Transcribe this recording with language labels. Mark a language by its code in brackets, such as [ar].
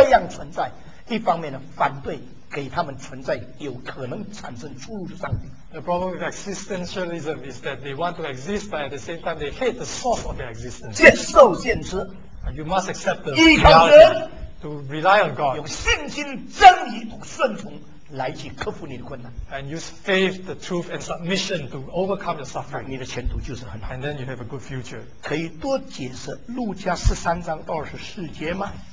[zh] 你要诚实地面对这个现实。存在主义的困难就是因为他们知道他们存在，而他们一方面呢，憎恨他们这样存在，一方面呢，反对。给他们存在有可能产生出入的上帝。 [en] The problem with existentialism is that they want to exist, but at the same time they hate the source of their existence. [zh] 见受见知。 [en] You must accept the reality to rely on God. [zh] 用信心、真理、顺从来去克服你的困难。 [en] And use faith, the truth, and submission to overcome your suffering. [zh] 你的前途就是很好。 [en] And then you have a good future. [zh] 可以多解释路加13章24节吗？